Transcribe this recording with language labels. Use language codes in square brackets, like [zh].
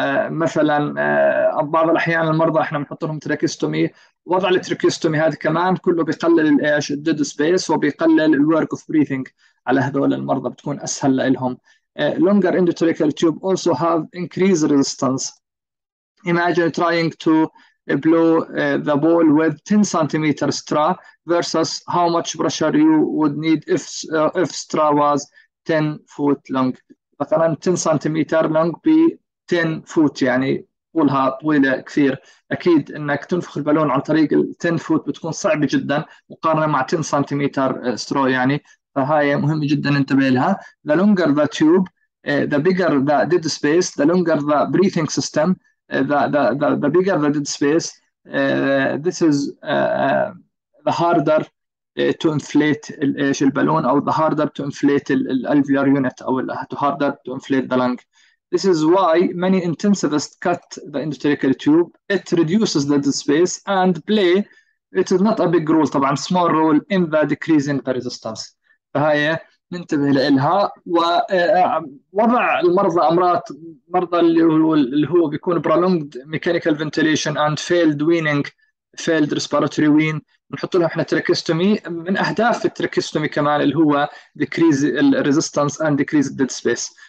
[ar] مثلا بعض الاحيان المرضى احنا بنحط لهم تراكيستومي, وضع التراكيستومي هذا كمان كله بيقلل الايش الديد سبيس وبيقلل الورك اوف بريثنج على هذول المرضى, بتكون اسهل لهم. [en] longer intracranial tube also have increased resistance. imagine trying to blow the ball with 10 centimeter straw versus how much pressure you would need if straw was 10 foot long. [ar] مثلا 10 centimeter long ب 10 foot, يعني طولها طويلة كثير. أكيد أنك تنفخ البالون عن طريق 10 foot بتكون صعبة جدا مقارنة مع 10 centimeter straw يعني. فهاي مهمة جدا انتبه لها. [en] The longer the tube, the bigger the dead space, the longer the breathing system, the bigger the dead space, this is the harder to inflate the balloon, or the harder to inflate the alveolar unit, or the harder to inflate the lung. This is why many intensivists cut the endotracheal tube. It reduces the dead space and play. It is not a big role, طبعا small role in the decreasing the resistance. [ar] فهي ننتبه لها. ووضع المرضى امراض مرضى اللي هو بيكون [en] prolonged mechanical ventilation and failed weaning failed respiratory wean, [ar] بنحط لهم احنا تراكيستومي. من اهداف التراكيستومي كمان اللي هو ديكريز الريزيستنس اند ديكريز الديد سبيس.